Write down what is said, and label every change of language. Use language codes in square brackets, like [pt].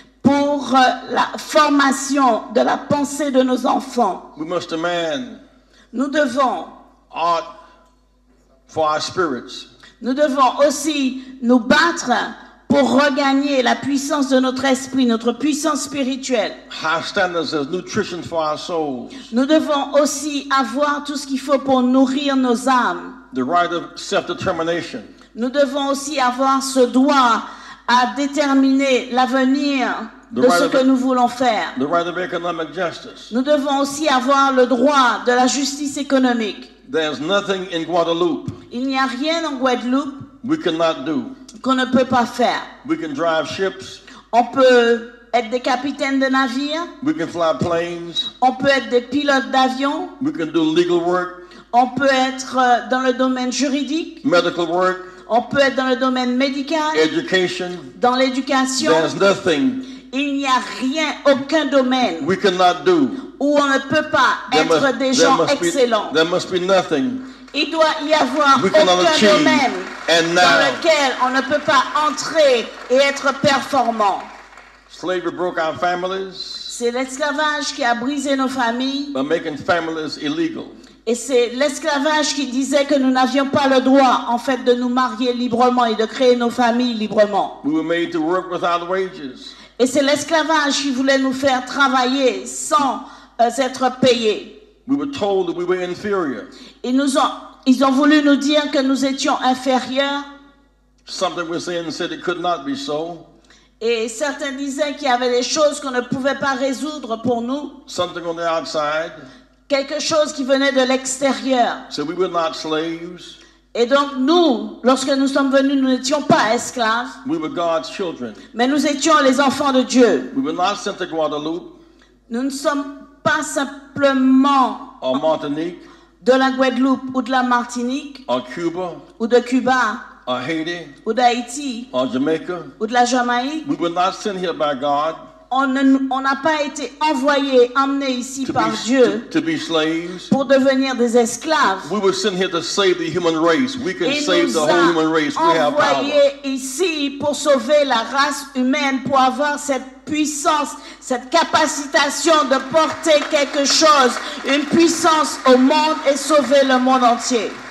[fr] Pour la formation de la pensée de nos enfants. [en] We must demand. [fr] Nous devons. [en] Art for our spirits. [fr] Nous devons aussi nous battre pour regagner la puissance de notre esprit, notre puissance spirituelle. [en] High standards of nutrition for our souls. [fr] Nous devons aussi avoir tout ce qu'il faut pour nourrir nos âmes. [en] The right of self-determination. [fr] Nous devons aussi avoir ce droit à déterminer l'avenir de ce que nous voulons faire. [en] The right of economic justice. [fr] Nous devons aussi avoir le droit de la justice économique. [en] There's nothing in Guadeloupe. [fr] Il n'y a rien en Guadeloupe. [en] We cannot do. [fr] Qu'on ne peut pas faire. [en] We can drive ships. [fr] On peut être des capitaines de navires. [en] We can fly planes. [fr] On peut être des pilotes d'avion. [en] We can do legal work. [fr] On peut être dans le domaine juridique. [en] Medical work. [fr] On peut être dans le domaine médical. [en] Education. [fr] Dans l'éducation. [en] There's nothing. [fr] Il n'y a rien, aucun domaine. [en] We cannot do. [fr] Où on ne peut pas être des gens excellents. [en] There must be nothing. [fr] Il doit y avoir aucun domaine [en] and [fr] dans lequel on ne peut pas entrer et être performant. [en] Slavery broke our families. [fr] C'est l'esclavage qui a brisé nos familles. [en] By making families illegal. [fr] Et c'est l'esclavage qui disait que nous n'avions pas le droit, en fait, de nous marier librement et de créer nos familles librement. [en] We were made to work without wages. [fr] Et c'est l'esclavage qui voulait nous faire travailler sans être payés. [en] We were told that we were inferior. [fr] Ils ont voulu nous dire que nous étions inférieurs. [en] Something was saying said it could not be so. [fr] Et certains disaient qu'il y avait des choses qu'on ne pouvait pas résoudre pour nous. [en] Something on the outside. [fr] Quelque chose qui venait de l'extérieur. [en] So we were not slaves. [fr] Et donc nous, lorsque nous sommes venus, nous n'étions pas esclaves. [en] We were God's children. [fr] Mais nous étions les enfants de Dieu. [en] We were not sent to Guadeloupe. [fr] Nous ne sommes pas simplement [en] or Martinique, [fr] de la Guadeloupe ou de la Martinique, [en] or Cuba, [fr] ou de Cuba, [en] or Haiti, [fr] ou d'Haïti, [en] or Jamaica, [fr] ou de la Jamaïque. [en] We were not sent here by God. [fr] On n'a pas été envoyé, emmené ici par Dieu pour devenir des esclaves. [en] We were sent here to save the human race. We can save the whole human race. We have power. [fr] Et nous a envoyé ici pour sauver la race humaine, pour avoir cette puissance, cette capacitation de porter quelque chose, une puissance au monde et sauver le monde entier.